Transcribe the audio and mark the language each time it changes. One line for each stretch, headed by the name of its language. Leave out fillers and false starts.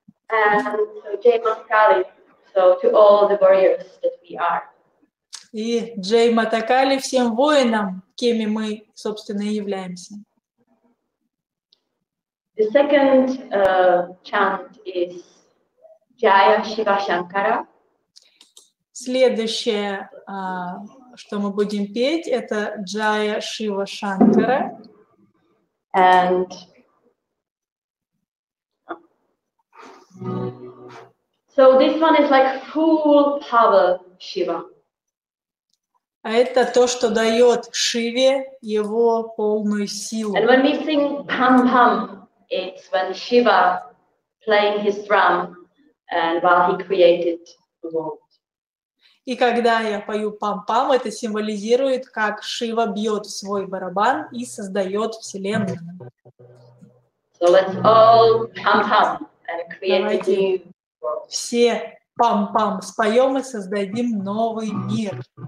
English: And so Jay Matakali, so to all the warriors that we are.
Russian: И Джей Матакали всем воинам, кеми мы, собственно, и являемся.
English: The second chant is Jaya Shiva Shankara.
Russian: Следующее, что мы будем петь, это Джая Шива Шанкара.
English: And so this one is like full power Shiva.
Russian: А это то, что дает Шиве его полную силу.
English: And when we sing pam pam, it's when Shiva playing his drum and while he created the world.
Russian: И когда я пою пам-пам, это символизирует, как Шива бьет свой барабан и создает Вселенную.
English: So let's all pam-pam and create a new world.
Russian: Все пам-пам споем и создадим новый мир.